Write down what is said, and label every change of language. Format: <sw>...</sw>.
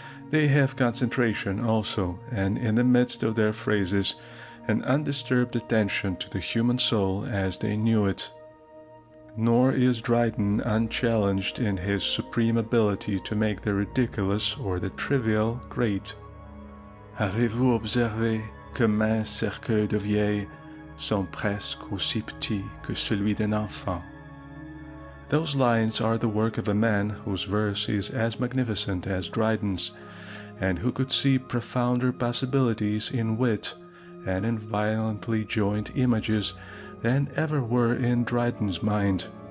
<en>They have concentration also, and in the midst of their phrases, an undisturbed attention to the human soul as they knew it. Nor is Dryden unchallenged in his supreme ability to make the ridiculous or the trivial great.</en> <fr>Avez-vous observé comme un cercueil de vieille sont presque aussi petits que celui d'un enfant?</fr> <en>Those lines are the work of a man whose verse is as magnificent as Dryden's, and who could see profounder possibilities in wit and in violently joined images than ever were in Dryden's mind.</en>